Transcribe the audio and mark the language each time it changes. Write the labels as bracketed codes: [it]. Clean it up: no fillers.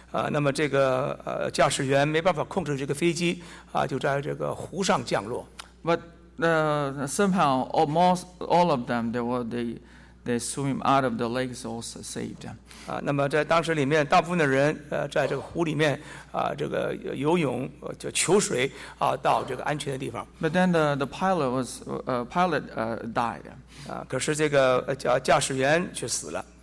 [zh] 那么这个驾驶员没办法控制这个飞机啊，就在这个湖上降落。 [en] But somehow all of them they swim out of the lake, so also saved. [zh] 那么在当时里面，大部分的人在这个湖里面这个游泳就求水到这个安全的地方。 [en] But then the pilot was died. [zh] 可是这个驾驶员却死了。